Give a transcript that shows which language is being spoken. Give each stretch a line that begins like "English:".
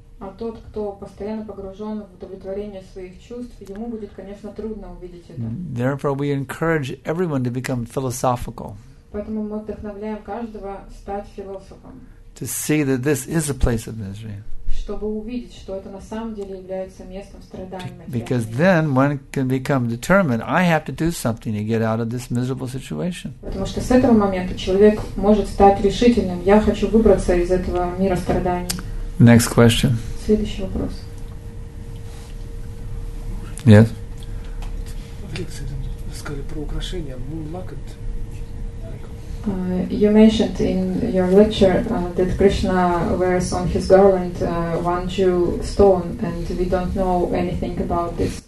Russian: А тот, кто постоянно погружен в удовлетворение своих чувств, ему будет, конечно, трудно увидеть это.
English: Therefore, we encourage everyone to become philosophical.
Russian: Поэтому мы вдохновляем каждого стать философом.
English: To see that this is a place of misery.
Russian: Чтобы увидеть, что это на самом деле является местом страданий.
English: Because then one can become determined. I have to do something to get out of this miserable situation.
Russian: Потому что с этого момента человек может стать решительным. Я хочу выбраться из этого мира страданий.
English: Next question.
Russian: Следующий вопрос.
English: Yes.
Russian: В лекции там сказали про украшения.
English: Moonlocket. You mentioned in your lecture that Krishna wears on his garland one jewel stone, and we don't know anything about this.